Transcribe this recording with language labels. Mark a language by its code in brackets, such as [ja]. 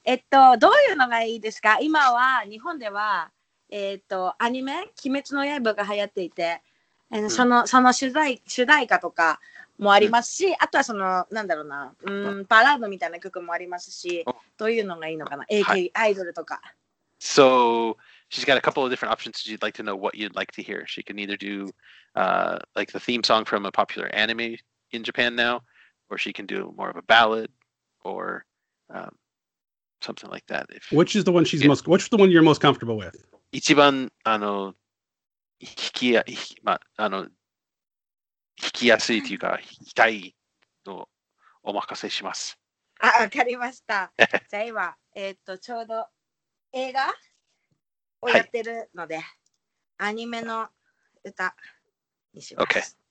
[ja] どういうのがいいですか。今は日本では、アニメ鬼滅の刃が流行っていて、その主題歌とかもありますし、あとはそのなんだろうな、バラードみたいな曲もありますし、どういうのがいいのかな、AK、はい、アイドルとか。 [en] So she's got a couple of different options. She'd like to know what you'd like to hear. She can either do like the theme song from a popular anime in Japan now, or she can do more of a ballad or something like that. Which is the one which is the one you're most comfortable with? [ja] 一番弾きやすいというか弾きたいのお任せします。あ、わかりました。じゃあ今、ちょうど映画をやってるので、はい、アニメの歌にします。